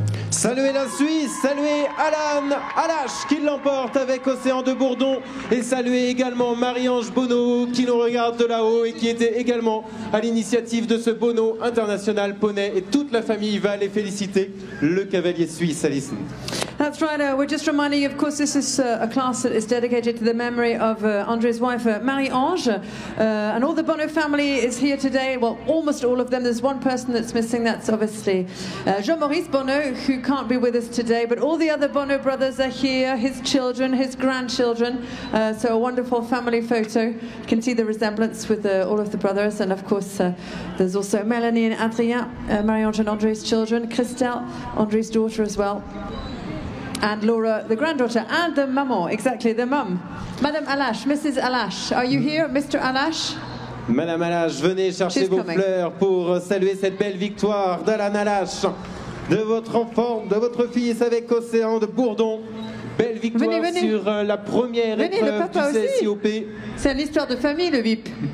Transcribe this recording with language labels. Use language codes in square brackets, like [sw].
[fr] Saluez la Suisse, saluez Alan Alache qui l'emporte avec Océan de Bourdon et saluez également Marie-Ange Bonneau qui nous regarde de là-haut et qui était également à l'initiative de ce Bonneau International Poney et toute la famille va les féliciter, le cavalier suisse Alice. [en] That's right, we're just reminding you, of course, this is a class that is dedicated to the memory of André's wife, Marie-Ange, and all the Bonneau family is here today, well, almost all of them. There's one person that's missing, that's obviously Jean-Maurice Bonneau, who can't be with us today, but all the other Bonneau brothers are here, his children, his grandchildren, so a wonderful family photo. You can see the resemblance with all of the brothers, and of course, there's also Mélanie and Adrien, Marie-Ange and André's children, Christelle, André's daughter as well. And Laura, the granddaughter, and the maman, exactly, the mum. Madame Alache, Mrs. Alache, are you here, Mr. Alache? [fr] Madame Alache, venez chercher vos fleurs pour saluer cette belle victoire d'Alan Alache, de votre enfant, de votre fils avec Océan de Bourdon. Belle victoire sur la première épreuve du CSIOP. C'est l'histoire de famille, le VIP.